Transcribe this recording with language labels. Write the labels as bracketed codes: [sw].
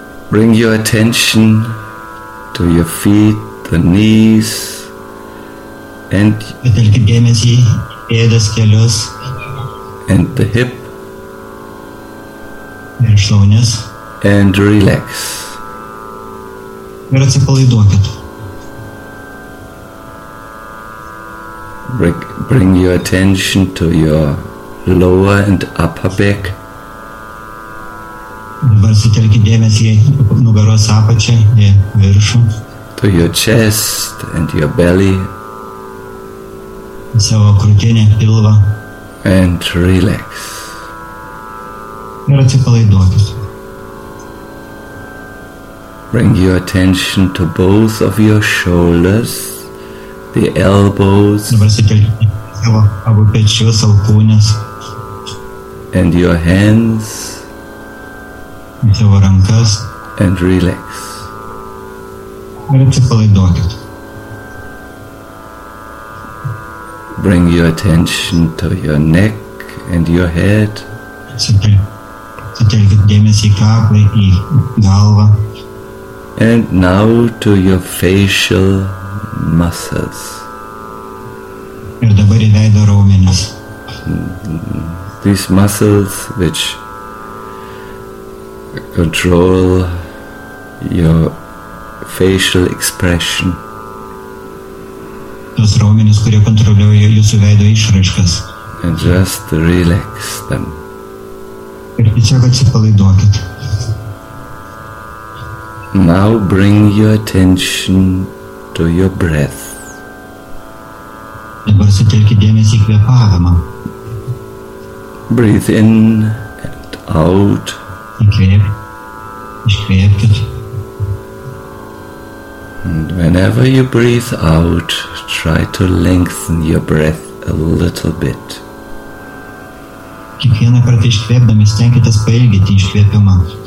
[en] Bring your attention to your feet, the knees, and [lt] patelkit dėmesį, pėdas, kelius, [en] and the hip, [lt] ir šlaunis, [en] and relax. [lt] Ir atsipalaiduokit. [en] Bring your attention to your lower and upper back. [lt] Dabar sutelkit dėmesį nugaros apačią į viršų. [en] To your chest and your belly. [lt] Savo krūtinę, pilvą. [en] And relax. [lt] Ir atsipalaiduokit. [en] Bring your attention to both of your shoulders, the elbows. [lt] Dabar sutelkit savo abu pečius, alkūnės. [en] And your hands. [lt] Savo rankas. [en] And relax. [lt] Ir atsipalaiduokit. [en] Bring your attention to your neck and your head. [lt] Sutelkit dėmesį į kaklą, į galvą. [en] And now to your facial muscles. [lt] Ir dabar į veido raumenis. [en] These muscles which control your facial expression. [lt] Tos raumenis, kurie kontroliuoja jūsų veido išraiškas. [en] And just relax them. [lt] Ir tiesiog atsipalaiduokit. [en] Now bring your attention to your breath. [lt] Dabar sutelkit dėmesį į kvėpavimą. [en] Breathe in and out. [lt] Iškvėpkit. [en] And whenever you breathe out, try to lengthen your breath a little bit. [lt] Kiekvieną kartą iškvėpdami stenkitės pailginti iškvėpimą.